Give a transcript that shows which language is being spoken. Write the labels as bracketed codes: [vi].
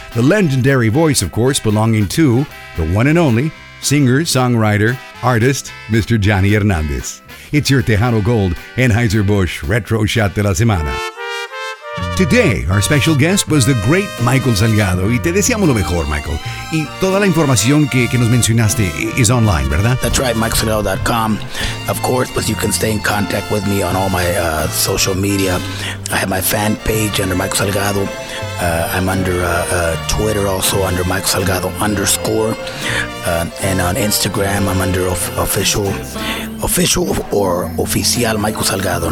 [en] The legendary voice, of course, belonging to the one and only singer, songwriter, artist, Mr. Johnny Hernandez. It's your Tejano Gold, Anheuser-Busch Retro Shot de la Semana. Today, our special guest was the great Michael Salgado. [es] Y te deseamos lo mejor, Michael. Y toda la información que nos mencionaste [en] is online, [es] ¿verdad? [en] That's right, MikeSalgado.com. Of course, but you can stay in contact with me on all my social media. I have my fan page under Mike Salgado. I'm under Twitter also under Mike Salgado _. And on Instagram, I'm under official. Official or Oficial Michael Salgado.